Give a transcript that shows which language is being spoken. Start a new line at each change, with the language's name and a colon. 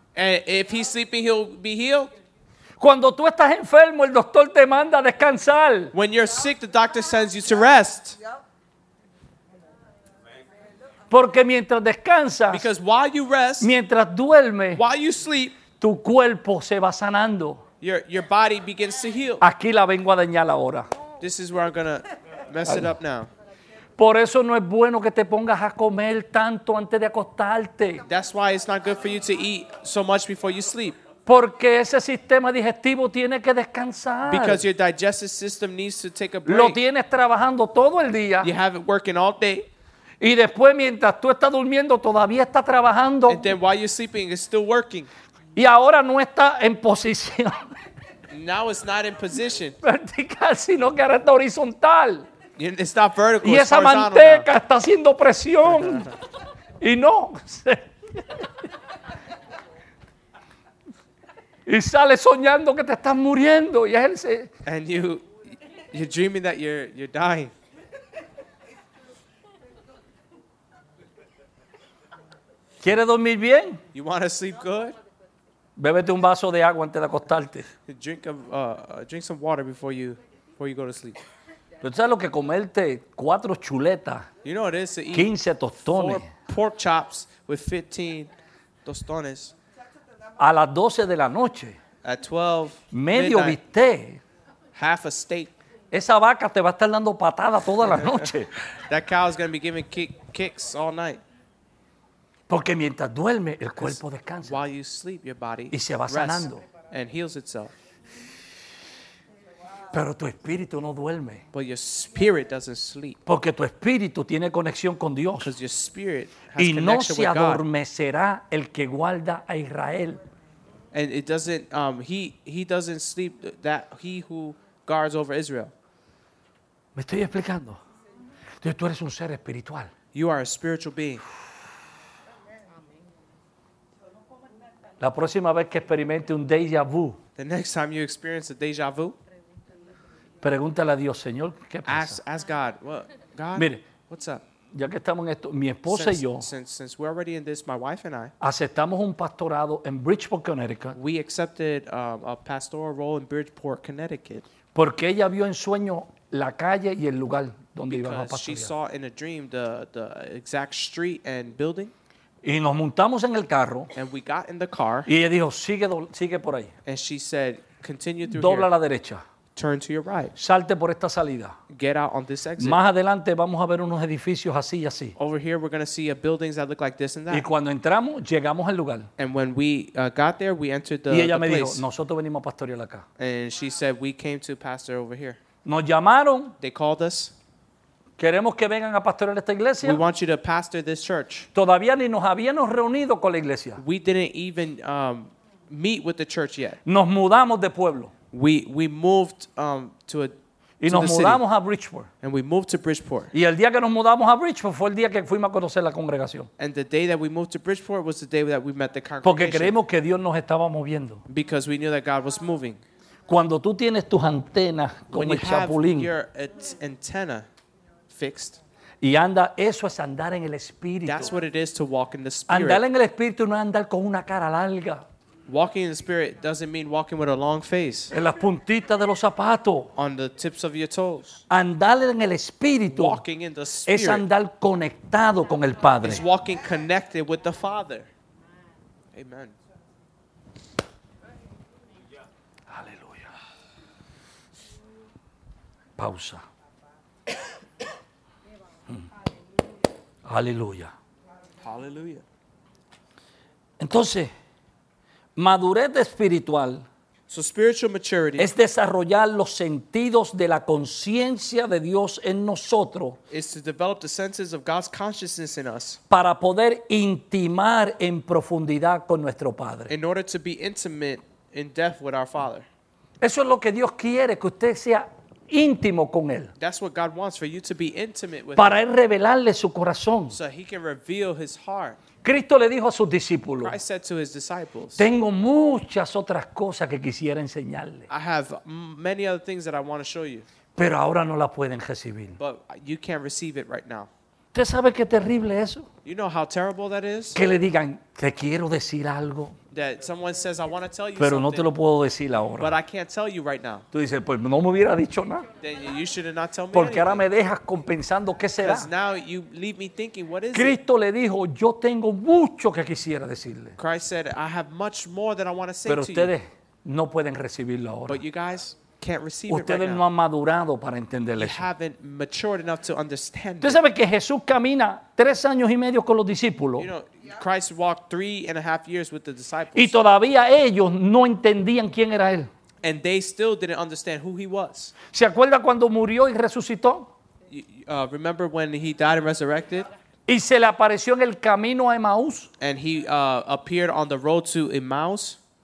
English: And if he's sleeping, he'll be healed.
Spanish: Cuando tú estás enfermo, el doctor te manda a descansar.
English: When you're sick, the doctor sends you to rest.
Spanish: Porque mientras descansas,
English: because while you rest,
Spanish: mientras duerme,
English: while you sleep,
Spanish: tu cuerpo se va sanando.
English: Your body begins to heal.
Spanish: Aquí la vengo a dañar ahora.
English: This is where I'm going to mess it up now.
Spanish: Por eso no es bueno que te pongas a comer tanto antes de acostarte.
English: That's why it's not good for you to eat so much before you sleep.
Spanish: Porque ese sistema digestivo tiene que descansar.
English: Because your digestive system needs to take a break.
Spanish: Lo tienes trabajando todo el día.
English: You have it working all day.
Spanish: Y después, mientras tú estás durmiendo, todavía está trabajando.
English: And then while you're sleeping, it's still working.
Spanish: Y ahora no está en posición.
English: Now it's not in position.
Spanish: Vertical, sino que ahora está horizontal.
English: It's not vertical.
Spanish: Y esa manteca está haciendo presión. Y no. Y sale soñando que te estás muriendo. Y él se.
English: And you're dreaming that you're dying.
Spanish: ¿Quieres dormir bien?
English: You want to sleep good?
Spanish: Bébete un vaso de agua antes de acostarte.
English: Drink some water before you go to sleep.
Spanish: ¿Tú sabes lo que comerte cuatro chuletas?
English: You know what it is to eat
Spanish: 15 tostones.
English: Four pork chops with 15 tostones.
Spanish: A las 12 de la noche.
English: At 12
Spanish: medio
English: midnight,
Spanish: bistec.
English: Half a steak.
Spanish: Esa vaca te va a estar dando patada toda la noche.
English: That cow is going to be giving kicks all night.
Spanish: Porque mientras duerme, el cuerpo descansa.
English: While you sleep, your body
Spanish: y se va sanando.
English: And heals itself.
Spanish: Pero tu espíritu no duerme.
English: But your spirit doesn't sleep.
Spanish: Porque tu espíritu tiene conexión con Dios.
English: Because your spirit has
Spanish: y no se adormecerá el que guarda a Israel.
English: And it doesn't, he doesn't sleep, that he who guards over Israel.
Spanish: ¿Me estoy explicando? Entonces, tú eres un ser espiritual.
English: You are a spiritual being.
Spanish: La próxima vez que experimente un déjà vu.
English: The next time you experience a déjà vu.
Spanish: Pregúntale a Dios, Señor, ¿qué pasa?
English: Ask God. Well, God,
Spanish: mire,
English: what's up?
Spanish: Ya que estamos en esto, mi esposa
English: since,
Spanish: y yo.
English: Since we're already in this, my wife and I.
Spanish: Aceptamos un pastorado en Bridgeport, Connecticut.
English: We accepted a pastoral role in Bridgeport, Connecticut.
Spanish: Porque ella vio en sueño la calle y el lugar donde íbamos a pastorear.
English: Because she saw in a dream the exact street and building.
Spanish: Y nos montamos en el carro.
English: And we got in the car.
Spanish: Y ella dijo, sigue por ahí.
English: And she said, continue through
Spanish: dobla
English: here.
Spanish: A la derecha.
English: Turn to your right.
Spanish: Salte por esta salida.
English: Get out on this exit.
Spanish: Más adelante vamos a ver unos edificios así y así.
English: Over here we're going to see buildings that look like this and that.
Spanish: Y cuando entramos, llegamos al lugar.
English: And when we got there, we entered the place.
Spanish: Y ella me
English: place.
Spanish: Dijo, nosotros venimos a pastorear acá.
English: And she said, we came to pastor over here.
Spanish: Nos llamaron.
English: They called us.
Spanish: Queremos que vengan a pastorear esta iglesia.
English: We want you to pastor this church.
Spanish: Todavía ni nos habíamos reunido con la iglesia.
English: We didn't even meet with the church yet.
Spanish: Nos mudamos de pueblo.
English: We moved to a
Spanish: y
English: to
Spanish: nos
English: the
Spanish: mudamos
English: city.
Spanish: A Bridgeport.
English: And we moved to Bridgeport.
Spanish: Y el día que nos mudamos a Bridgeport fue el día que fuimos a conocer la congregación.
English: And the day that we moved to Bridgeport was the day that we met the congregation.
Spanish: Porque creemos que Dios nos estaba moviendo.
English: Because we knew that God was moving.
Spanish: Cuando tú tienes tus antenas como
English: when you
Spanish: el chapulín.
English: Have your antenna fixed.
Spanish: Y anda, eso es andar en el espíritu.
English: That's what it is to walk in the spirit.
Spanish: Andar en el espíritu no es andar con una cara larga.
English: Walking in the spirit doesn't mean walking with a long face.
Spanish: En las puntitas de los zapatos.
English: On the tips of your toes.
Spanish: Andar en el espíritu.
English: Walking in the spirit.
Spanish: Es andar conectado con el Padre.
English: Is walking connected with the Father.
Spanish: Amen. Aleluya. Pausa. Aleluya. Aleluya. Entonces, madurez espiritual
English: so spiritual maturity
Spanish: es desarrollar los sentidos de la conciencia de Dios en nosotros
English: is to develop the senses of God's consciousness in us
Spanish: para poder intimar en profundidad con nuestro Padre.
English: In order to be intimate in depth with our Father.
Spanish: Eso es lo que Dios quiere, que usted sea íntimo con Él.
English: That's what God wants, for you to be intimate with
Spanish: para Él revelarle su corazón.
English: So He can reveal His heart.
Spanish: Cristo le dijo a sus discípulos,
English: Christ said to his disciples,
Spanish: tengo muchas otras cosas que quisiera enseñarle.
English: I have many other things that I want to show you.
Spanish: Pero ahora no la pueden recibir.
English: But you can't receive it right now.
Spanish: ¿Usted sabe qué terrible es eso?
English: You know how terrible that is?
Spanish: Que le digan, te quiero decir algo.
English: That someone says, I want to tell you
Spanish: pero Pero no te lo puedo decir ahora.
English: But I can't tell you right now.
Spanish: Tú dices, pues no me hubiera dicho nada.
English: Then you should have not told me
Spanish: porque
English: anything.
Spanish: Ahora me dejas pensando qué será.
English: Because now you leave me thinking, what is
Spanish: Cristo
English: it?
Spanish: Le dijo, yo tengo mucho que quisiera decirle.
English: Christ said, I have much more that I want to say to you.
Spanish: Pero ustedes no pueden recibirlo ahora.
English: But you guys can't receive
Spanish: ustedes
English: it right
Spanish: no
English: now.
Spanish: No han madurado para entender
English: you
Spanish: eso.
English: Haven't matured enough to understand
Spanish: ¿usted
English: it?
Spanish: Sabe que Jesús camina 3 años y medio con los discípulos?
English: You know, Christ walked 3.5 years with the disciples.
Spanish: Y todavía ellos no entendían quién era él.
English: And they still didn't understand who he was.
Spanish: ¿Se acuerda cuando murió y resucitó?
English: Remember when he died and resurrected?
Spanish: Y se le apareció en el camino a Emmaus.
English: And he appeared on the road to Emmaus.